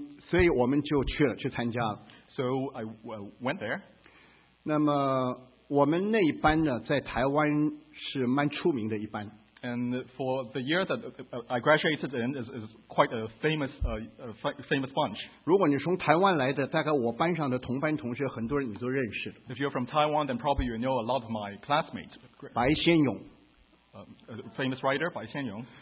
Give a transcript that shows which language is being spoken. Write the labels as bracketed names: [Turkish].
[Chinese] 所以我们就去了，去参加了。 [English] So I went there. [Chinese] 那么我们那一班呢，在台湾是蛮出名的一班。 [English] And for the year that I graduated in is quite a famous bunch. [Chinese] 如果你从台湾来的，大概我班上的同班同学很多人你都认识。 [English] If you're from Taiwan, then probably you know a lot of my classmates. [Chinese] 白先勇 [English] ，a famous writer, 白先勇。